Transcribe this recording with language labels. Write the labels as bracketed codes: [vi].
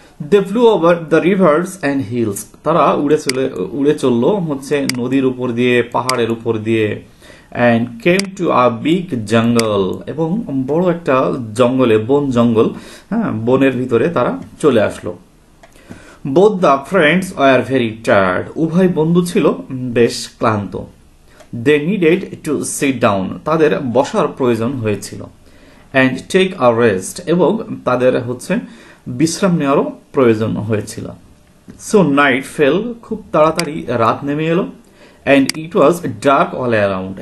[en] they flew over the rivers and hills, [bn] তারা উড়ে চলে উড়ে চলল হচ্ছে নদীর উপর দিয়ে, পাহাড়ের উপর দিয়ে। [en] and came to a big jungle, [bn] এবং বড় একটা জঙ্গলে, বন জঙ্গল, হ্যাঁ, বনের ভিতরে তারা চলে আসলো। [en] Both the friends were very tired. [bn] উভয় বন্ধু ছিল বেশ ক্লান্ত। [en] They needed to sit down. [bn] তাদের বসার প্রয়োজন হয়েছিল। [en] And take a rest. [bn] এবং তাদের হচ্ছে বিশ্রাম নেওয়ারও প্রয়োজন হয়েছিল। [en] So night fell. [bn] খুব তাড়াতাড়ি রাত নেমে এলো। [en] And it was dark all around.